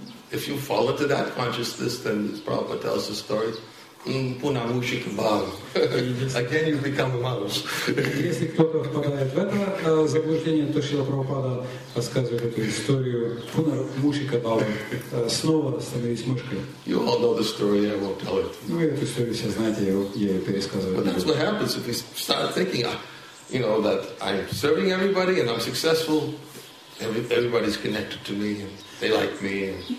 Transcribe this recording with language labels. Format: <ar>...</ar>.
<en>If you fall into that consciousness, then Prabhupada tells the story. I can't even become a mouse.</en> <ru>Если кто-то попадает в это заблуждение, то Шрила Прабхупада рассказывает эту историю.</ru> <sa>Пуна мушика бава.</sa> <ru>Снова становись мышкой.</ru> <en>You all know the story, I won't tell it.</en> <ru>Ну, эту историю все знаете, я ее пересказываю.</ru> <en>But that's what happens if we start thinking, you know, that I'm serving everybody and I'm successful. Everybody's connected to me and they like me.</en>